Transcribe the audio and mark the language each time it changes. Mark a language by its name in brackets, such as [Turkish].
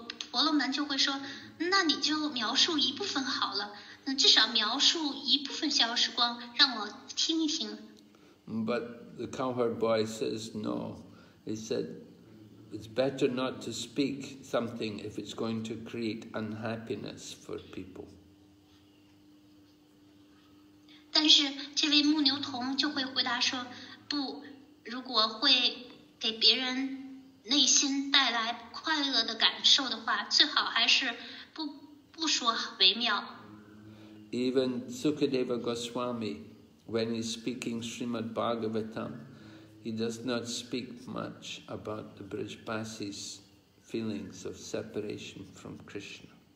[Chinese] 婆罗门就会说, 那你就描述一部分好了, 至少描述一部分消失光, 让我听一听。 [English] But the cowherd boy says no. He said, it's better not to speak something if it's going to create unhappiness for people. [Chinese] 但是这位牧牛童就会回答说, 不, 如果会给别人 [English] Even Sukadeva Goswami, when he's speaking Srimad Bhagavatam, he does not speak much about the Brijbasi's feelings of separation from Krishna.